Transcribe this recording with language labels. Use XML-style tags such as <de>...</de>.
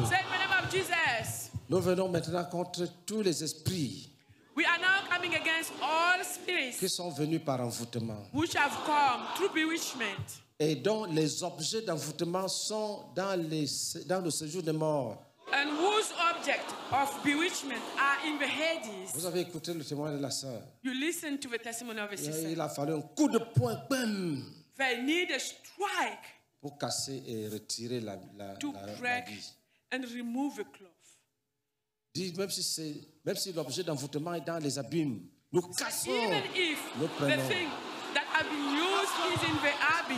<en>Say the name of Jesus.</en> <fr>Nous venons maintenant contre tous les esprits.</fr> <en>We are now coming against all spirits.</en> <fr>Qui sont venus par envoûtement.</fr> <en>Which have come through bewitchment.</en> <fr>Et dont les objets d'envoûtement sont dans le séjour des morts.</fr> <en>And whose object of bewitchment are in the Hades.</en> <fr>Vous avez écouté le témoignage de la sœur.</fr> <en>You listen to the testimony of a sister.</en> <fr>Il a fallu un coup de poing. Bam.</fr> <en>They need a strike.</en> <fr>Pour casser et retirer</fr> <en>break and remove the cloth.</en> <fr>Dis même si l'objet d'envoûtement est dans les abîmes, nous cassons.</fr> <en>Even if</en> <fr>nous prenons.</fr> <en>The thing that have been used is in the abyss.</en>